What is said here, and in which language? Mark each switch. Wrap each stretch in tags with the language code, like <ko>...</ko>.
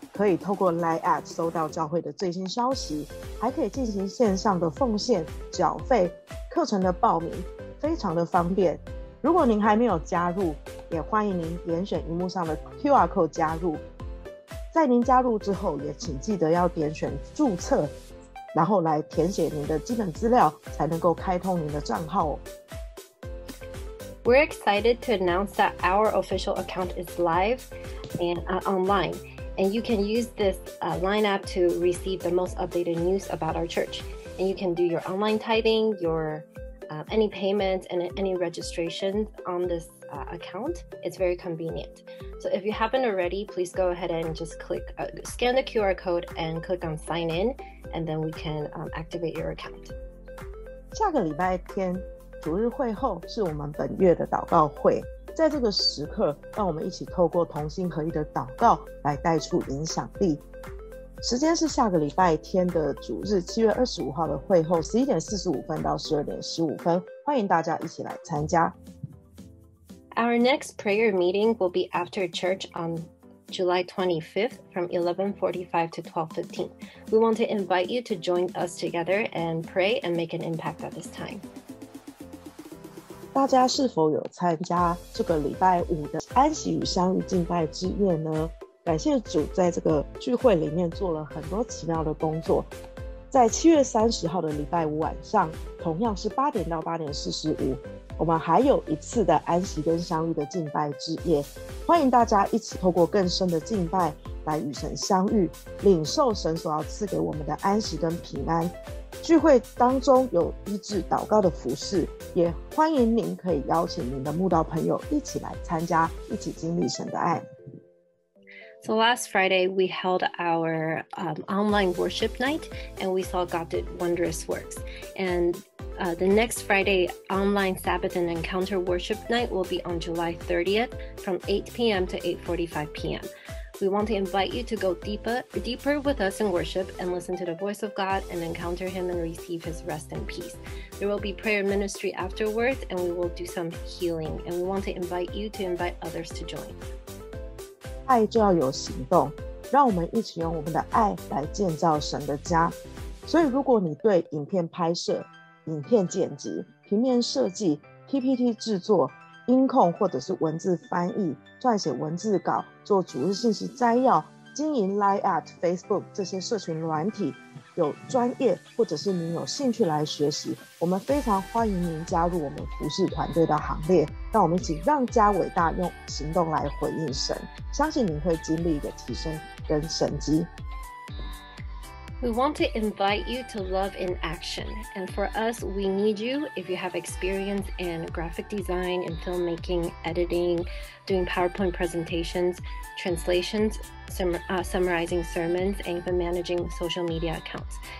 <zh>可以透过 LINE APP 收到教会的最新消息，还可以进行线上的奉献、缴费、课程的报名，非常的方便。如果您还没有加入，也欢迎您点选荧幕上的 QR Code 加入。在您加入之后，也请记得要点选注册，然后来填写您的基本资料，才能够开通您的账号哦。</zh> <en>We're excited to announce that our official account is live and online, and you can use this LINE app to receive the most updated news about our church. And you can do your online tithing, any payments and any registrations on this account. It's very convenient. So if you haven't already, please go ahead and just scan the QR code and click on sign in, and then we can activate your account.</en> <zh>下个礼拜天主日会后是我们本月的祷告会，在这个时刻，让我们一起透过同心合一的祷告来带出影响力。时间是下个礼拜天的主日，7月25号的会后，11:45到12:15，欢迎大家一起来参加。</zh> <en>Our next prayer meeting will be after church on July 25th from 11:45 to 12:15. We want to invite you to join us together and pray and make an impact at this time.</en> <zh>大家是否有参加这个礼拜五的安息与相遇敬拜之夜呢？感谢主在这个聚会里面做了很多奇妙的工作。在7月30号的礼拜五晚上，同样是8:00到8:45，我们还有一次的安息跟相遇的敬拜之夜。欢迎大家一起透过更深的敬拜来与神相遇，领受神所要赐给我们的安息跟平安。聚会当中有医治祷告的服事，也欢迎您可以邀请您的慕道朋友一起来参加，一起经历神的爱。</zh> <en>So last Friday, we held our online worship night, and we saw God did wondrous works. And the next Friday online Sabbath and Encounter worship night will be on July 30th from 8 p.m. to 8:45 p.m. We want to invite you to go deeper with us in worship and listen to the voice of God and encounter Him and receive His rest and peace. There will be prayer ministry afterwards, and we will do some healing. And we want to invite you to invite others to join.</en> <zh>爱就要有行动，让我们一起用我们的爱来建造神的家。所以，如果你对影片拍摄、影片剪辑、平面设计、PPT 制作、音控或者是文字翻译、撰写文字稿、做主日信息摘要、经营 LINE APP、Facebook 这些社群软体有专业，或者是您有兴趣来学习，我们非常欢迎您加入我们服事团队的行列。让我们一起让家伟大，用行动来回应神，相信您会经历一个提升跟神迹。</zh> <en>We want to invite you to love in action. And for us, we need you. If you have experience in graphic design and filmmaking, editing, doing PowerPoint presentations, translations, summarizing sermons, and even managing social media accounts.</en>